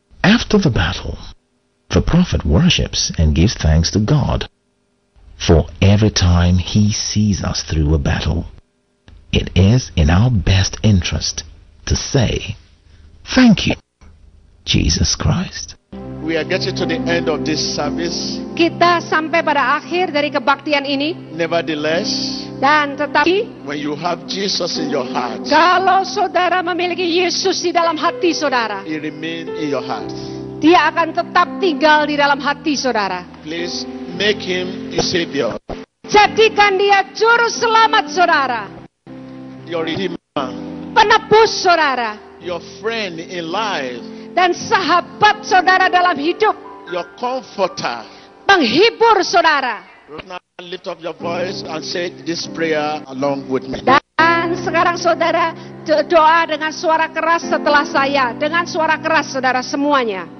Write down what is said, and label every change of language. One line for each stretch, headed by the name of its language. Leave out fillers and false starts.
English: After the battle, the prophet worships and gives thanks to God. For every time he sees us through a battle, it is in our best interest to say, thank you, Jesus Christ. We are getting to the end of this service.
Indonesian: Kita sampai pada akhir dari kebaktian ini.
English: Nevertheless,
Indonesian: dan tetapi,
English: when you have Jesus in your heart,
Indonesian: kalau saudara memiliki Yesus di dalam hati saudara,
English: he remains in your heart.
Indonesian: Dia akan tetap tinggal di dalam hati saudara.
English: Please make him a savior.
Indonesian: Jadikan dia juru selamat saudara.
English: Your redeemer,
Indonesian: penebus saudara,
English: your friend in life,
Indonesian: dan sahabat saudara dalam hidup,
English: your comforter,
Indonesian: penghibur saudara.
English: Now lift up your voice and say this prayer along with me.
Indonesian: Dan sekarang saudara doa dengan suara keras setelah saya, dengan suara keras saudara semuanya.